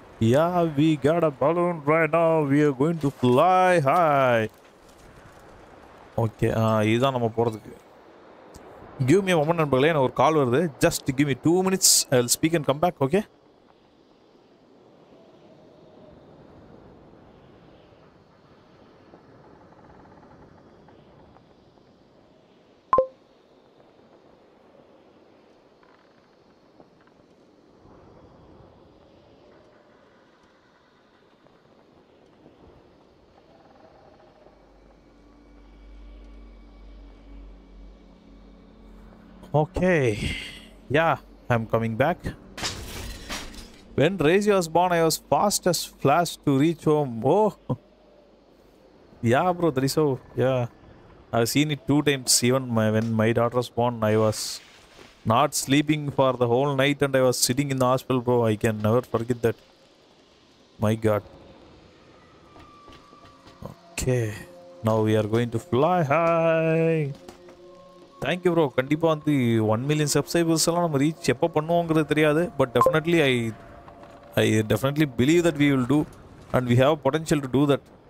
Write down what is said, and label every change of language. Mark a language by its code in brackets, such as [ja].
[en] Yeah, we got a balloon right now. We are going to fly high. [ta] Okay, இதுதான் நம்ம போகிறதுக்கு. [en] Give me a moment, [ta] நண்பர்களே, எனக்கு ஒரு கால் வருது. [en] Just give me 2 minutes. I'll speak and come back, okay? Okay, yeah, I'm coming back. When Razi was born, I was fast as flash to reach home. Oh, yeah bro, that is so, yeah. I've seen it 2 times, even when my daughter was born, I was not sleeping for the whole night and I was sitting in the hospital, bro. I can never forget that. My God. Okay, now we are going to fly high. Thank you bro. [ta] கண்டிப்பாக வந்து 1 million subscribers எல்லாம் நம்ம reach எப்போ பண்ணுவோங்கிறது தெரியாது, [en] But definitely I definitely believe that we will do and we have potential to do that.